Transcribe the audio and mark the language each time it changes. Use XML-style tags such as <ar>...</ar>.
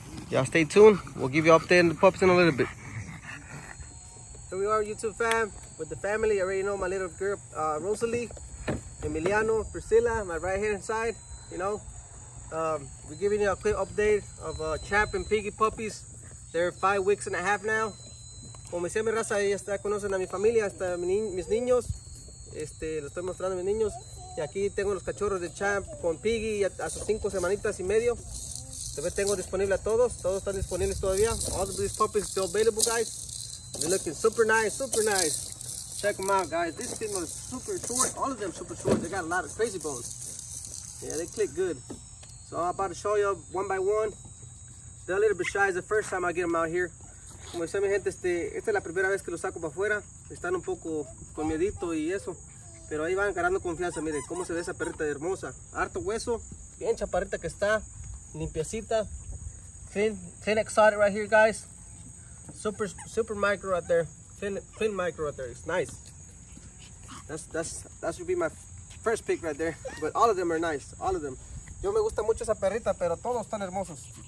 <en>Y'all stay tuned. We'll give you an update on the pups in a little bit. Here we are, YouTube fam, with the family. You already know my little girl, Rosalie, Emiliano, Priscilla, my right hand side, you know. We're giving you a quick update of Champ and Piggy puppies. They're 5 weeks and a half now.</en> <es>Como decía mi raza, ya está, conocen a mi familia, hasta mis niños. Lo estoy mostrando a mis niños. Y aquí tengo los cachorros de Champ con Piggy a sus 5 semanitas y medio. Todavía tengo disponible a todos. Todos están disponibles todavía.</es> <en>All of these puppies are still available, guys. They're looking super nice, super nice. Check them out, guys. This thing was super short. All of them super short. They got a lot of crazy bones. Yeah, they click good. So I'm about to show you one by one. They're a little bit shy. It's the first time I get them out here.</en> <es>Como dice mi gente, esta es la primera vez que los saco para afuera. Están un poco con miedito y eso. Pero ahí van ganando confianza. Miren cómo se ve esa perrita hermosa. Harto hueso. Bien chaparrita que está. Limpiecita.</es> <en>Clean exotic right here, guys. Super, super micro right there. Clean micro right there. It's nice. That should be my first pick right there. But all of them are nice. All of them.</en> <es>Yo me gusta mucho esa perrita, pero todos están hermosos.</es>